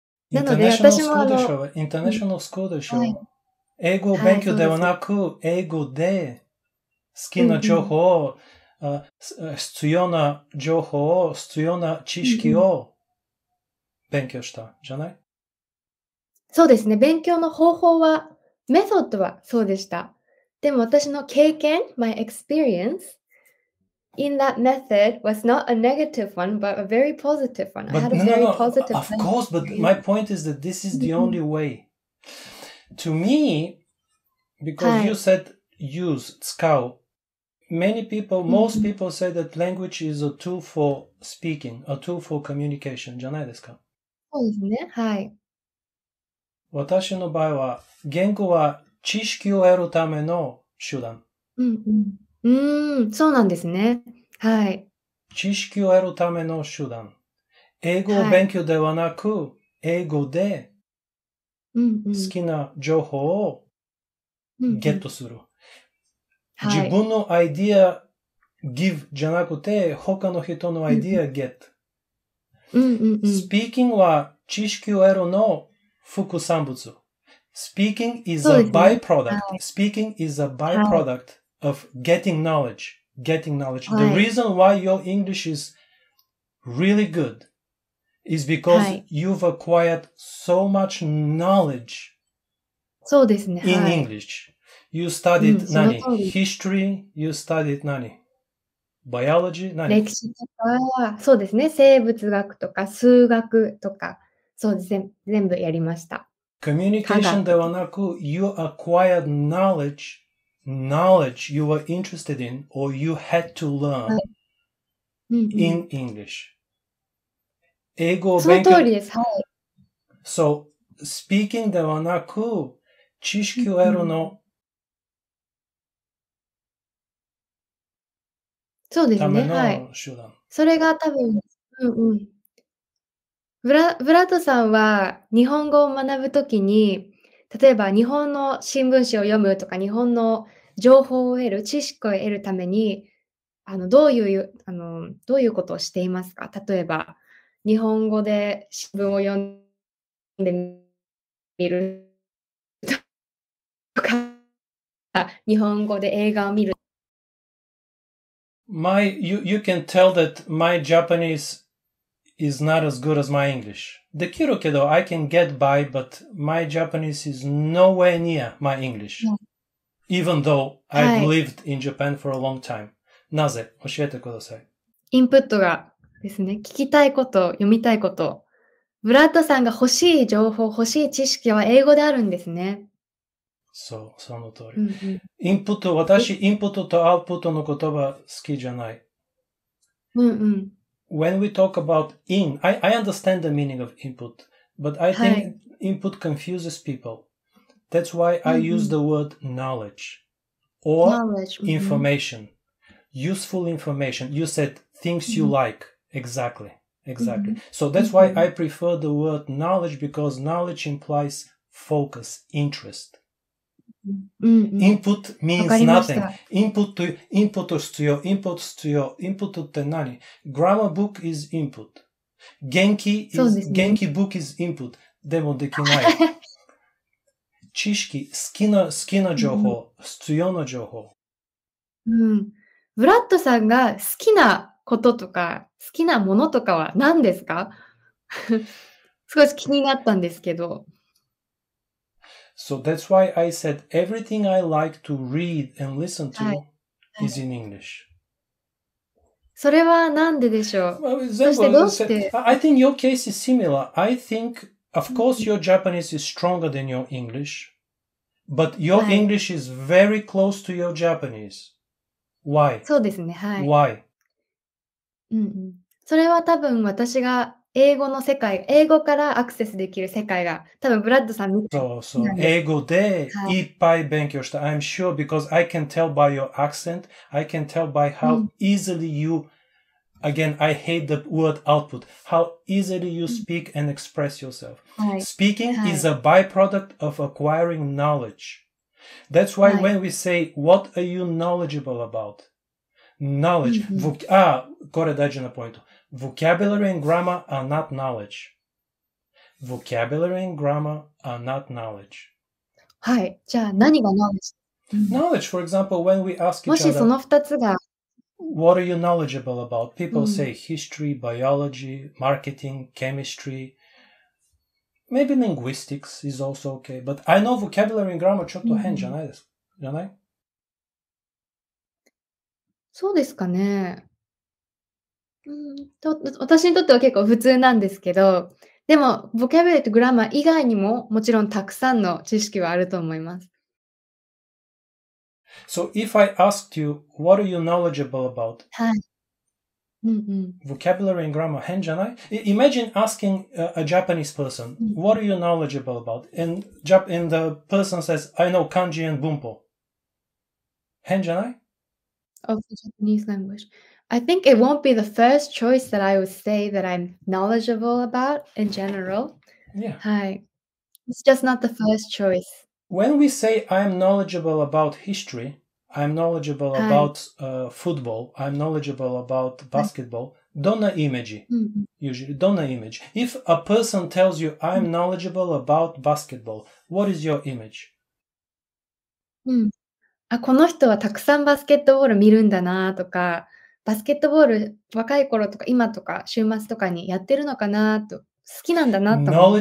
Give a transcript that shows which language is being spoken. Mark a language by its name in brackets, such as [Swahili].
[Japanese] なので私もインターナショナルスクールでしょ、はい、英語勉強ではなく、はい、英語で好きな情報を、うんうん、必要な情報を必要な知識を勉強したじゃない、うんうん、そうですね。勉強の方法はメソッドはそうでした。でも私の経験 [English] my experienceIn that method was not a negative one, but a very positive one. But I had a very positive experience. Of course, but my point is that this is the only way. To me, because you said use, [Japanese] 使う, [English] many people, most people say that language is a tool for speaking, a tool for communication, [Japanese] じゃないですか? そうですね、はい。私の場合は、言語は知識を得るための手段。そうなんですね。はい。知識を得るための手段。英語を勉強ではなく、はい、英語で好きな情報をゲットする。うんうん、自分のアイディア、give じゃなくて、他の人のアイディア、get。 Speaking は知識を得るの副産物。 [English] Speaking is a byproduct.、 [Japanese] ねはい、 [English] Speaking is a byproduct.、はいof getting knowledge.、はい、The reason why your English is really good is because、はい、you've acquired so much knowledge、 [Japanese] そうですね、 [English] in、 [Japanese] はい、 [English] English. You studied、うん、 [Japanese] 何 [English] history, you studied 何 biology, 何 [Japanese] 歴史とか、そうですね、生物学とか数学とか、そう全部やりました。 [English] Communication [Japanese] ではなく、 [English] you acquired knowledge. Knowledge you were interested in or you had to learn、はい、in English. [Japanese] 英語を勉強その通りです。はい。 [English] So, speaking [Japanese] ではなく、知識を得るの、そうですね。ための手段。はい。それが多分、ブラッドさんは日本語を学ぶときに、例えば日本の新聞紙を読むとか、日本の情報を得る、知識を得るために、どういうことをしていますか?例えば、日本語で新聞を読んでみるとか、日本語で映画を見る。 [English] You can tell that my Japanese is not as good as my English. [Japanese] できるけど、 [English] I can get by, but my Japanese is nowhere near my English.、Yeah. Even though I've、はい、lived in Japan for a long time. [Japanese] なぜ?教えてください。インプットがですね、聞きたいこと、読みたいこと。ブラッドさんが欲しい情報、欲しい知識は英語であるんですね。そう、その通り。インプット、私、インプットとアウトプットの言葉好きじゃない。 [English] When we talk about in, I understand the meaning of input, but I think、はい、input confuses people. That's why I、mm-hmm. use the word knowledge or knowledge. Information,、mm-hmm. useful information. You said things、mm-hmm. you like. Exactly. Exactly.、Mm-hmm. So that's、mm-hmm. why I prefer the word knowledge because knowledge implies focus, interest.、 Mm-hmm. Input means nothing. Input to 必要 input 必要 input [Japanese] って何 [English] Grammar book is input. Genki book is input. [Japanese] でもできない。知識、好きな情報、うん、必要な情報。うん。ブラッドさんが好きなこととか、好きなものとかは何ですか? 少し気になったんですけど。 [English] So that's why I said everything I like to read and listen to、はい、is in English. [Japanese] それは何ででしょう?そしてどうして? [English] I think your case is similar. I think... Of course, your Japanese is stronger than your English, but your、はい、English is very close to your Japanese. Why? [Japanese] そうですね、はい。 [English] Why? [Japanese] それは多分私が英語の世界、英語からアクセスできる世界が多分ブラッドさんみたいな。そうそう。英語でいっぱい勉強した。 [English] I'm sure because I can tell by your accent. I can tell by how easily you, again, I hate the word output, how easily you speak and express yourself. Speaking is a byproduct of acquiring knowledge. That's why when we say, what are you knowledgeable about? Knowledge. [Japanese] これ大事なポイント。 [English] Vocabulary and grammar are not knowledge. Vocabulary and grammar are not knowledge. [Japanese] はい。じゃあ何が knowledge? [English] Knowledge, for example, when we ask each other, [Japanese] もしその2つが、 [English] what are you knowledgeable about? People say history, biology, marketing, chemistry. Maybe linguistics is also okay. But I know vocabulary and grammar [Japanese] ちょっと変じゃないですか。じゃない? そうですかね。私にとっては結構普通なんですけど、でも、ボキャブラリーとグラマー以外にももちろんたくさんの知識はあると思います。 [English] So if I asked you, what are you knowledgeable about? [Japanese] はい。 [English] Vocabulary and grammar, [Japanese] 変じゃない? [English] Imagine asking a Japanese person, what are you knowledgeable about? And the person says, I know kanji and bunpo. [Japanese] 変じゃない? [English] Of the Japanese language. I think it won't be the first choice that I would say that I'm knowledgeable about in general. Yeah. Hi. It's just not the first choice. When we say I'm knowledgeable about history, I'm knowledgeable about football, I'm knowledgeable about basketball, [Japanese] donna imagi, [English] usually, [Japanese] donna image. [English] If a person tells you I'm knowledgeable about basketball, what is your image? [Japanese] この人はたくさんバスケットボール見るんだなとか、バスケットボール若い頃とか今とか週末とかにやってるのかなと、好きなんだなと思う。